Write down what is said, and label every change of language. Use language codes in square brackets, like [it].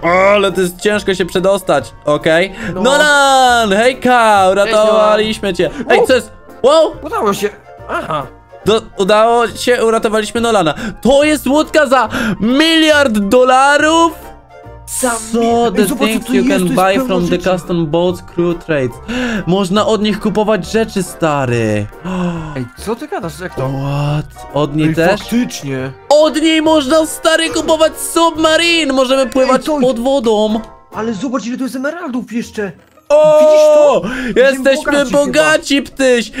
[pl] O, ale to jest ciężko się przedostać. Okej. Nolan! Hejka! Uratowaliśmy cię! Ej, co jest? Wow! Udało się! Aha! Udało się, uratowaliśmy Nolana. To jest łódka za miliard dolarów? Co? [en] The things you can buy from the custom boat crew trades. [pl] Można od nich kupować rzeczy, stary. Ej, co ty gadasz, jak to? [en] What? [pl] Od niej też? Faktycznie. Od niej można, stary, kupować submarine. Możemy pływać pod wodą. Ale zobacz, ile tu jest emeraldów jeszcze. O, jesteśmy bogaci, ptyś!